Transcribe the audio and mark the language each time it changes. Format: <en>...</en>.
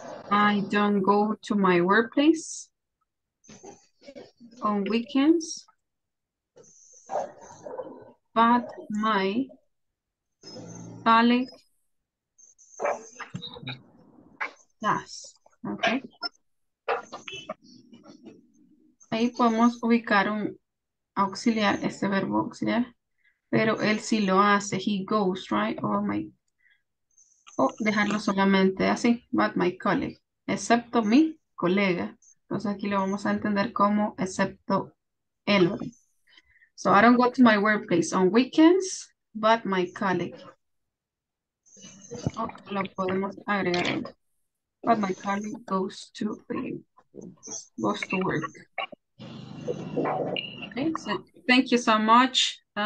<en>I don't go to my workplace on weekends, but my colleague does. Okay.</en> <es>Ahí podemos ubicar un auxiliar, este verbo auxiliar, pero él sí lo hace.</es> <en>He goes, right?</en> <es>Dejarlo solamente así,</es> <en>but my colleague,</en> <es>excepto mi colega. Entonces aquí lo vamos a entender como excepto él.</es> <en>So I don't go to my workplace on weekends, but my colleague. Oh,</en> <es>lo podemos agregar.</es> <en>But my colleague goes to work. Okay, so thank you so much.</en>